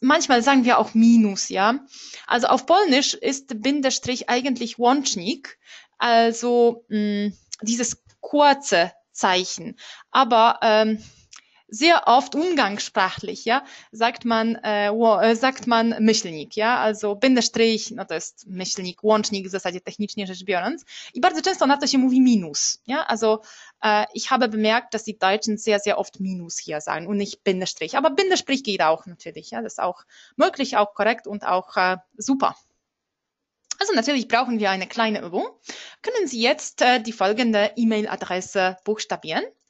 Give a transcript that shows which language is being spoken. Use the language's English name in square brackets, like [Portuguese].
[German] Manchmal sagen wir auch Minus, ja. Also auf Polnisch ist Bindestrich eigentlich Łącznik, also dieses kurze Zeichen. Aber sehr oft umgangssprachlich, ja, sagt man Myślnik, ja. [Polish] Also Bindestrich, no to jest Myślnik, Łącznik w zasadzie technicznie rzecz biorąc. I bardzo często na to się mówi Minus, ja. [German] Also ich habe bemerkt, dass die Deutschen sehr, sehr oft Minus hier sagen und nicht Bindestrich. Aber Bindestrich geht auch natürlich, ja. Das ist auch möglich, auch korrekt und auch super. Also natürlich brauchen wir eine kleine Übung. Können Sie jetzt die folgende E-Mail-Adresse buchstabieren?